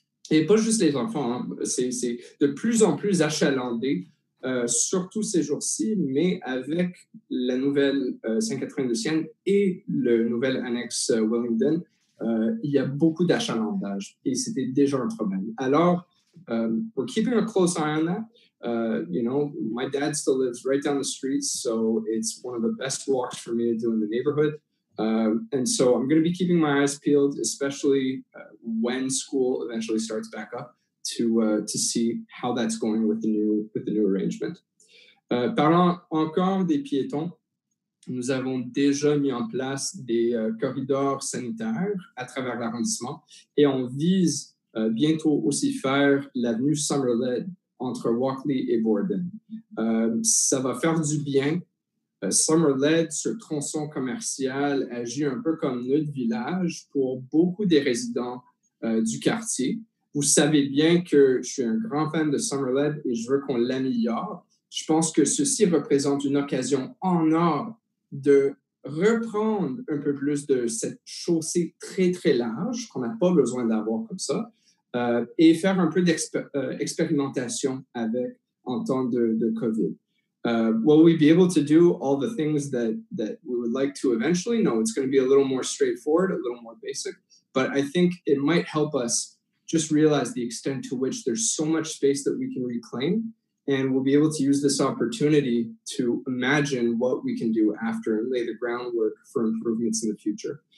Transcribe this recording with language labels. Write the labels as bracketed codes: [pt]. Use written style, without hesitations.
[fr] Et pas juste les enfants, hein. C'est de plus en plus achalandé, surtout ces jours-ci, mais avec la nouvelle Sainte-Catherine-de-Sienne et le nouvel annexe Willingdon, il y a beaucoup d'achalandage et c'était déjà un problème. [en] Alors, we're keeping a close eye on that. You know, my dad still lives right down the street, so it's one of the best walks for me to do in the neighborhood. And so I'm going to be keeping my eyes peeled, especially when school eventually starts back up, to see how that's going with the new arrangement. [fr] Parlant encore des piétons, nous avons déjà mis en place des corridors sanitaires à travers l'arrondissement et on vise bientôt aussi faire l'avenue Summerled entre Walkley et Borden. Ça va faire du bien. Summerled, ce tronçon commercial, agit un peu comme notre village pour beaucoup des résidents du quartier. Vous savez bien que je suis un grand fan de Summerled et je veux qu'on l'améliore. Je pense que ceci représente une occasion en or de reprendre un peu plus de cette chaussée très, très large qu'on n'a pas besoin d'avoir comme ça et faire un peu d'expérimentation avec en temps de COVID. [en] Will we be able to do all the things that we would like to eventually? No, it's going to be a little more straightforward, a little more basic, but I think it might help us just realize the extent to which there's so much space that we can reclaim, and we'll be able to use this opportunity to imagine what we can do after and lay the groundwork for improvements in the future.